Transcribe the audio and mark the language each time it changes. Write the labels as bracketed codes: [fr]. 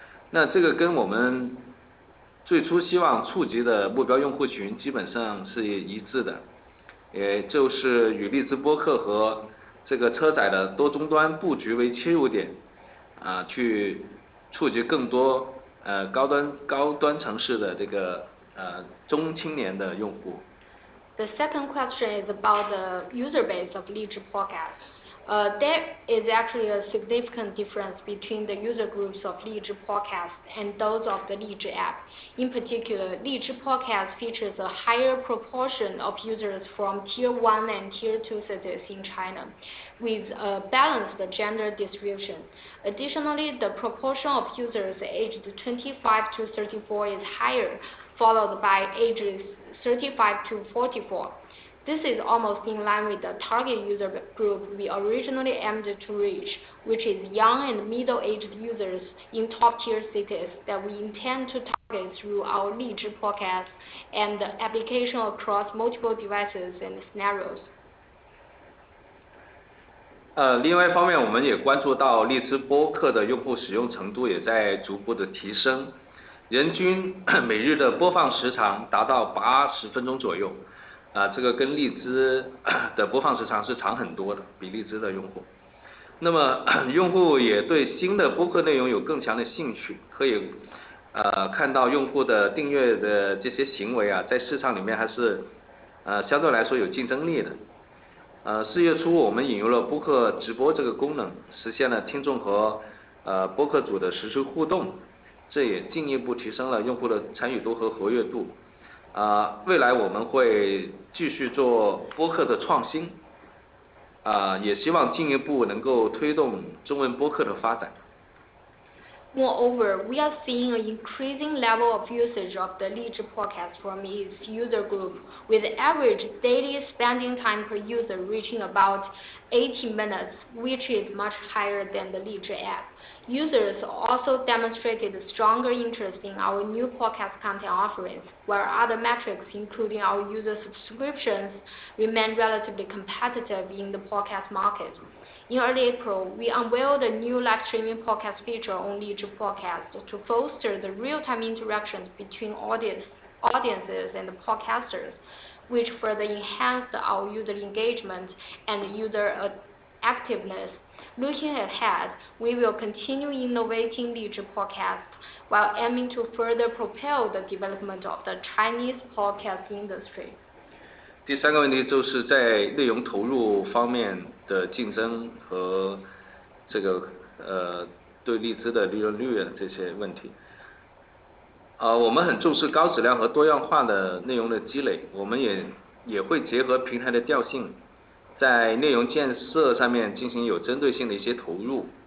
[zh] 那这个跟我们最初希望触及的目标用户群基本上是一致的，也就是与荔枝播客和这个车载的多终端布局为切入点，去触及更多高端城市的这个中青年的用户。 [en] The second question is about the user base of 荔枝 Podcast. There is actually a significant difference between the user groups of 荔枝 Podcast and those of the 荔枝 App. In particular, 荔枝 Podcast features a higher proportion of users from Tier 1 and Tier 2 cities in China, with a balanced gender distribution. Additionally, the proportion of users aged 25 to 34 is higher, followed by ages 35 to 44. This is almost in line with the target user group we originally aimed to reach, which is young and middle-aged users in top-tier cities that we intend to target through our 荔枝 podcast and the application across multiple devices and scenarios. [zh] 另外一方面，我们也关注到荔枝播客的用户使用程度也在逐步的提升，人均每日的播放时长达到80分钟左右，这个跟荔枝的播放时长是长很多的，比荔枝的用户。那么用户也对新的播客内容有更强的兴趣，可以看到用户的订阅的这些行为啊，在市场里面还是相对来说有竞争力的。四月初我们引入了播客直播这个功能，实现了听众和播客组的实时互动，这也进一步提升了用户的参与度和活跃度。未来我们会继续做播客的创新，也希望进一步能够推动中文播客的发展。 [en] Moreover, we are seeing an increasing level of usage of the 荔枝 podcast from its user group, with average daily spending time per user reaching about 80 minutes, which is much higher than the 荔枝 app. Users also demonstrated stronger interest in our new podcast content offerings, while other metrics, including our user subscriptions, remain relatively competitive in the podcast market. In early April, we unveiled a new live streaming podcast feature on 荔枝 Podcast to foster the real-time interactions between audiences and podcasters, which further enhanced our user engagement and user activeness. Looking ahead, we will continue innovating 荔枝 Podcast while aiming to further propel the development of the Chinese podcast industry. [zh] 第三个问题就是在内容投入方面的竞争和这个对荔枝的利润率的这些问题。我们很重视高质量和多样化的内容的积累，我们也会结合平台的调性，在内容建设上面进行有针对性的一些投入。